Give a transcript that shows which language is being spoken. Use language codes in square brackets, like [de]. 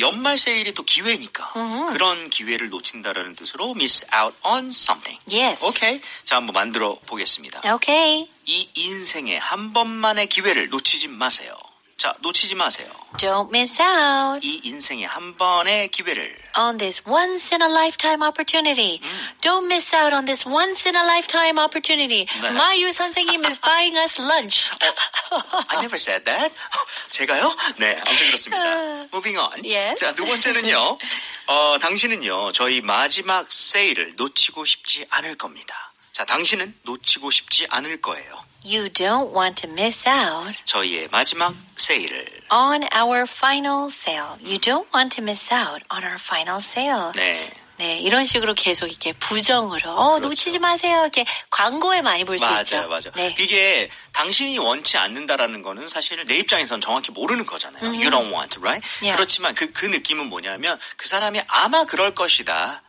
[ko] 연말 세일이 또 기회니까 그런 기회를 놓친다라는 뜻으로 [en] miss out on something. Yes. [ko] 오케이. 자, 한번 만들어 보겠습니다. 오케이. 이 인생에 한 번만의 기회를 놓치지 마세요. 자, 놓치지 마세요. [en] Don't miss out. [ko] 이 인생의 한 번의 기회를. [en] On this once in a lifetime opportunity. Don't miss out on this once in a lifetime opportunity. [ko] 네. [en] Mayu 선생님 is buying us lunch. I never said that. [ko] 제가요? 네, 아무튼 그렇습니다. [en] Moving on. Yes. [ko] 자, 두 번째는요. 당신은요, 저희 마지막 세일을 놓치고 싶지 않을 겁니다. 자, 당신은 놓치고 싶지 않을 거예요. [en] You don't want to miss out. [ko] 저희의 마지막 세일을. [en] On our final sale. You don't want to miss out on our final sale. [ko] 네. 네, 이런 식으로 계속 이렇게 부정으로. 놓치지 마세요. 이렇게 광고에 많이 볼 수 있죠. 맞아요, 맞아요. 네. 이게 당신이 원치 않는다라는 거는 사실 내 입장에서는 정확히 모르는 거잖아요. [en] You don't want, right? Yeah. [ko] 그렇지만 그 느낌은 뭐냐면 그 사람이 아마 그럴 것이다.